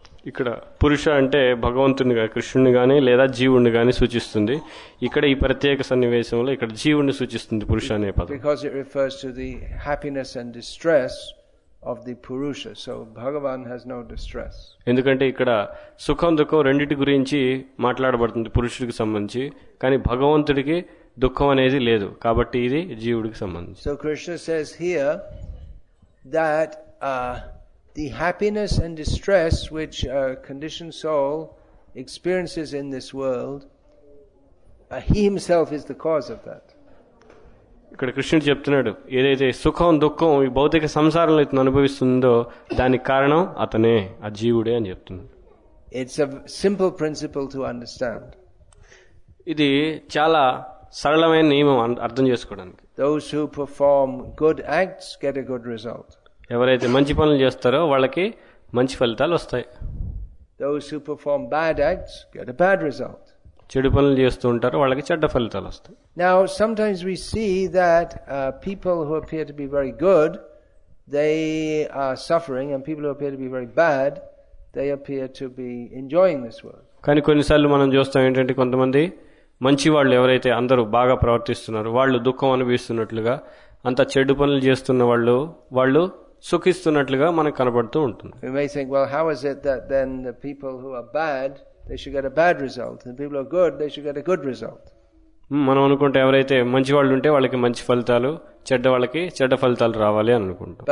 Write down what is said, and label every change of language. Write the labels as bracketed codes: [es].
[te] ఇక్కడ పురుష అంటే భగవంతుని గాని కృష్ణుని గాని లేదా జీవుని గాని సూచిస్తుంది. ఇక్కడ ఈ ప్రత్యేక సన్నివేశంలో ఇక్కడ జీవుని సూచిస్తుంది పురుష అనే పదం. [en] Because it refers to the happiness and distress of the purusha, so Bhagavan has no distress. [te] ఎందుకంటే ఇక్కడ సుఖం దుఃఖం రెండింటి గురించి మాట్లాడబడుతుంది పురుషుడికి సంబంధించి, కానీ భగవంతుడికి దుఃఖం అనేది లేదు కాబట్టి ఇది జీవుడికి సంబంధించి. [en] So Krishna says here that the happiness and distress which a conditioned soul experiences in this world, he himself is the cause of that. [te] ఇక్కడ కృష్ణుడు చెప్తున్నాడు ఏదైతే సుఖం దుఃఖం ఈ భౌతిక సంసారంలో ఇతను అనుభవిస్తుందో దానికి కారణం అతనే, ఆ జీవుడే అని చెప్తున్నాడు. [en] It's a simple principle to understand. [te] ఇది చాలా సరళమైన నియమం అర్థం చేసుకోవడానికి. [en] Those who perform good acts get a good result. [te] ఎవరైతే మంచి పనులు చేస్తారో వాళ్ళకి మంచి ఫలితాలు వస్తాయి. [en] Those who perform bad acts get a bad result. [te] చెడు పనులు చేస్తూ ఉంటారో వాళ్ళకి చెడ్డ ఫలితాలు వస్తాయి. [en] Now sometimes we see that people who appear to be very good they are suffering and people who appear to be very bad they appear to be enjoying this world. [te] కానీ కొన్నిసార్లు మనం చూస్తాం ఏంటంటే కొంతమంది మంచి వాళ్ళు ఎవరైతే అందరూ బాగా ప్రవర్తిస్తున్నారో వాళ్ళు దుఃఖం అనుభవిస్తున్నట్లుగా, అంత చెడు పనులు చేస్తున్న వాళ్ళు సుఖిస్తున్నట్లుగా మనకు కనబడుతూ ఉంటుంది. [en] We may think, well, how is it that then the people who are bad, they should get a bad result, and the people who are good, they should get a good result? [te] మనం అనుకుంటే ఎవరైతే మంచి వాళ్ళు ఉంటే వాళ్ళకి మంచి ఫలితాలు, చెడ్డ వాళ్ళకి చెడ్డ ఫలితాలు రావాలి అని అనుకుంటాం.